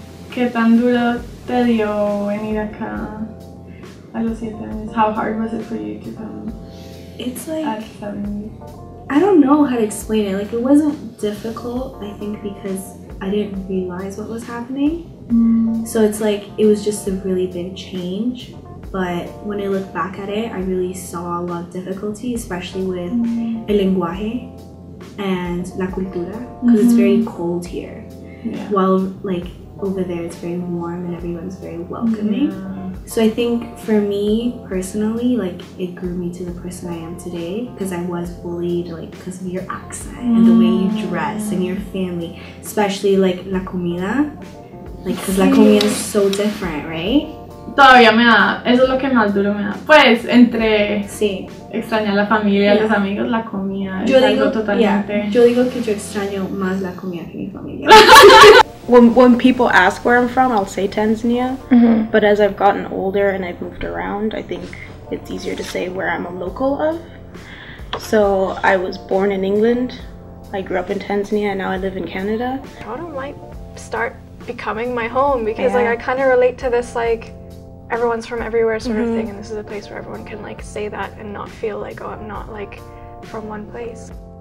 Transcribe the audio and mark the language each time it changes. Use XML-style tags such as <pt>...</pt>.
<es>¿Qué tan duro te dio venir acá a los 7 años?</es> <en>How hard was it for you to come? It's like, I don't know how to explain it. Like, it wasn't difficult, I think, because I didn't realize what was happening. So it's like, it was just a really big change, but when I look back at it, I really saw a lot of difficulty, especially with</en> <es>el lenguaje</es> <en>and</en> <es>la cultura,</es> <en>because it's very cold here. Yeah. While like over there, it's very warm and everyone's very welcoming. Yeah. So I think for me personally, like, it grew me to the person I am today, because I was bullied, like, because of your accent and the way you dress and your family, especially like</en> <es>la comida.</es> <en>Like, because</en> <es>la comida</es> <en>is so different, right?</en> <es>Todavía me da, eso es lo que más duro me da. Pues, entre extrañar la familia, los amigos, la comida es algo totalmente... Yo digo que yo extraño más la comida que mi familia.</es> <en>When people ask where I'm from, I'll say Tanzania. Mm-hmm. But as I've gotten older and I've moved around, I think it's easier to say where I'm a local of. So I was born in England. I grew up in Tanzania and now I live in Canada. Toronto might start becoming my home because like I kind of relate to this like everyone's from everywhere sort of thing, and this is a place where everyone can like say that and not feel like, oh, I'm not like from one place.</en>